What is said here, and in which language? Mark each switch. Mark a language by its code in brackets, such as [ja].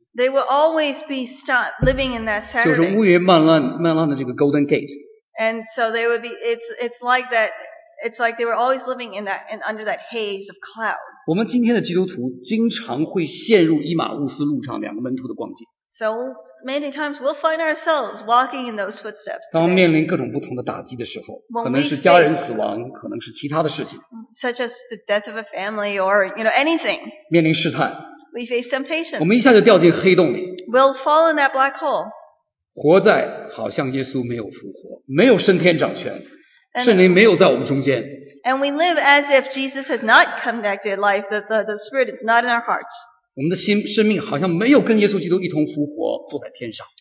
[en] They will always be stuck living in that Saturday. [zh] 就是乌云漫漫漫漫的这个 Golden Gate. [en] And so they would be, it's like they were always living in that, and under that haze of clouds. [zh] 我们今天的基督徒经常会陷入以马忤斯路上两个门徒的光景。 [en] So many times we'll find ourselves walking in those footsteps. [zh] 当面临各种不同的打击的时候，可能是家人死亡，可能是其他的事情。 [en] Such as the death of a family or, you know, anything. [zh] 面临试探。 [en] We face temptation. [zh] 我们一下就掉进黑洞里。 [en] We'll fall in that black hole. [zh] 活在好像耶稣没有复活，没有升天掌权，圣灵没有在我们中间。 [en] And we live as if Jesus has not come back to life, that the Spirit is not in our hearts. [zh] 我们的心生命好像没有跟耶稣基督一同复活坐在天上。